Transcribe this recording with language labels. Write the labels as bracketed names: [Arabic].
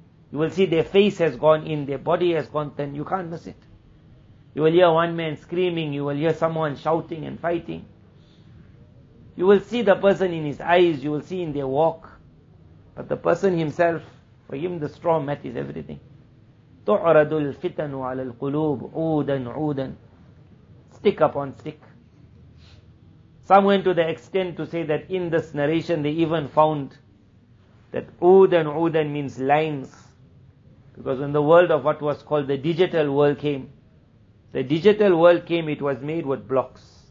[English] You will see their face has gone in, their body has gone thin, you can't miss it. You will hear one man screaming, you will hear someone shouting and fighting. You will see the person in his eyes, you will see in their walk. But the person himself, for him the straw mat is everything. [Arabic] تُعْرَدُ الْفِتَنُ عَلَى الْقُلُوبُ عُودًا عُودًا. [English] Stick upon stick. Some went to the extent to say that in this narration they even found that [Arabic] عُودًا عُودًا [English] means lines. Because when the world of what was called the digital world came, it was made with blocks.